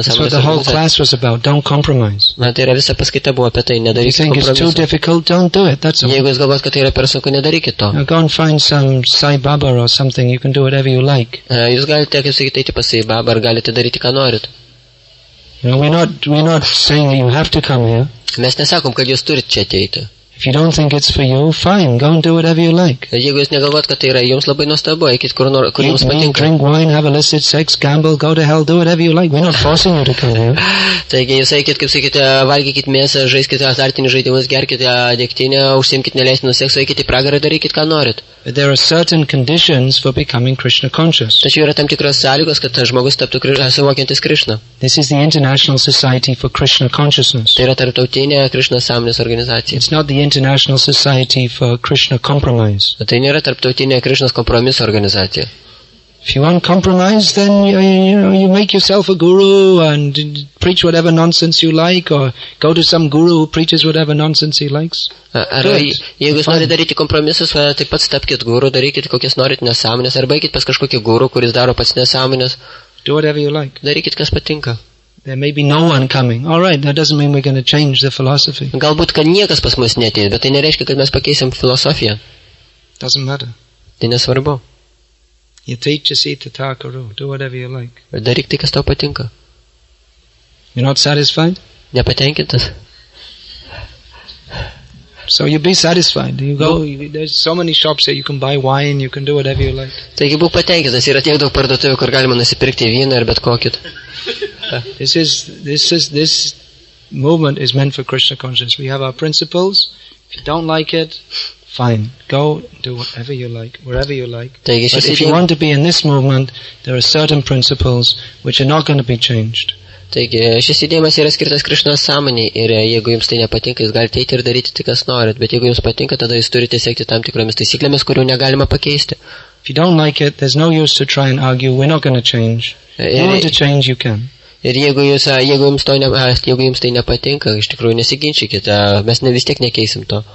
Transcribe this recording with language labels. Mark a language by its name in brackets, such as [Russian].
[Lithuanian] sąmonės. Tai yra visa paskaita buvo apie tai, nedarykite kompromiso. Jeigu jūs galvojate, kad tai yra per sunku, nedarykite to. Jūs galite, kaip sakyti, eiti pas Sai Baba ar galite daryti, ką norit. [English] We're not saying that you have to come here. [Lithuanian] Mes nesakom, kad jūs turite čia ateiti. [English] If you don't think it's for you, fine, go and do whatever you like. [Lithuanian] Jeigu jūs negalvojat, kad tai yra jums, labai nuostabu, eikit kur nors, kur jums patinka. [English] Drink wine, have illicit sex, gamble, go to hell, do whatever you like. We're not forcing you to come here. [Lithuanian] Taigi, jūs eikit, kaip sakyt, valgykit mėsą, žaiskit azartinius žaidimus, gerkit degtinę, užsiimkit neleistinų seksų, eikit į pragarą, darykit ką norit. [English] But there are certain conditions for becoming Krishna conscious. [Lithuanian] Tačiau yra tam tikros sąlygos, kad žmogus taptų suvokiantis Krishna. [English] This is the International Society for Krishna Consciousness. [Lithuanian] Tai yra tarptautinė Krishna sąmonės organizacija. [English] It's not the International Society for Krishna Compromise. [Lithuanian] Tai nėra tarptautinė Krishna kompromiso organizacija. [English] If you want compromise, then you make yourself a guru and preach whatever nonsense you like, or go to some guru who preaches whatever nonsense he likes. [Lithuanian] Jeigu jūs norite daryti kompromisus, tai pats tapkit guru, darykit kokias norite nesąmonės, arba eikit pas kažkokį guru, kuris daro pats nesąmonės. [English] Do whatever you like. [Lithuanian] Darykit kas patinka. [English] There may be no one coming. All right, that doesn't mean we're going to change the philosophy. [Lithuanian] Galbūt kad niekas pas mus neateis, bet tai nereiškia, kad mes pakeisim filosofiją. [English] Doesn't matter. [Lithuanian] Tai nesvarbu. [English] You teach us eat the takaru. Do whatever you like. [Lithuanian] Daryk tai, kas tau patinka. [English] You're not satisfied? [Lithuanian] Nepatenkintas. [English] So you be satisfied. You go, there's so many shops here, you can buy wine, you can do whatever you like. [Lithuanian] Taigi būk patenkintas, yra tiek daug parduotuvių, kur galima nusipirkti vyną ir bet kokį. [English] This movement is meant for Krishna consciousness. We have our principles. If you don't like it, fine. Go do whatever you like, wherever you like. [Lithuanian] Taigi, [English] but if you want to be in this movement, there are certain principles which are not going to be changed. [Lithuanian] Taigi, šis judėjimas yra skirtas Krishna sąmonei ir jeigu jums tai nepatinka, jūs galite eiti ir daryti tai, kas norit, bet jeigu jums patinka, tada jūs turite siekti tam tikromis taisyklėmis, kurių negalima pakeisti. [English] If you don't like it, there's no use to try and argue, we're not going to change. If you want to change, you can. [Lithuanian] Ir jeigu jums tai nepatinka, iš tikrųjų nesiginčykite, mes vis tiek nekeisim to.